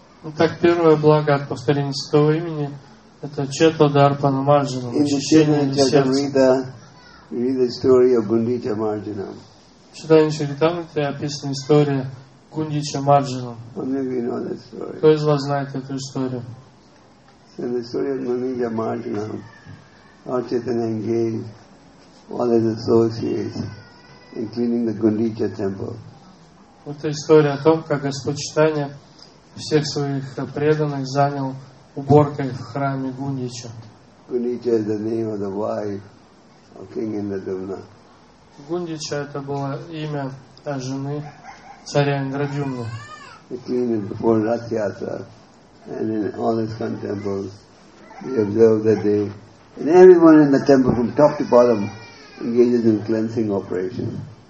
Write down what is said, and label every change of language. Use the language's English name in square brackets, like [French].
[Russian] Ну так первое благо от повторения святого имени это Чета Дарпана Марджина. [English] In the Chaitanya Charitamrita, we read the story of Gundicha Marjana. [Russian] Описана история Гундича Марджина. Кто из вас знает эту историю? [English] So the story of Gundicha Marjana, how Chaitanya engaged all his associates in cleaning the Gundicha temple. [Russian] Это история о том, как Господь Чайтанья всех своих преданных занял уборкой в храме Гундича. [English] Gundicha is the name of the wife of King Indradyumna. [Russian] Гундича это было имя жены царя Индрадюмны. [English] He cleaned it before Ratyatra and in all his sun temples. He observed that they and everyone in the temple from top to bottom engages in cleansing operation.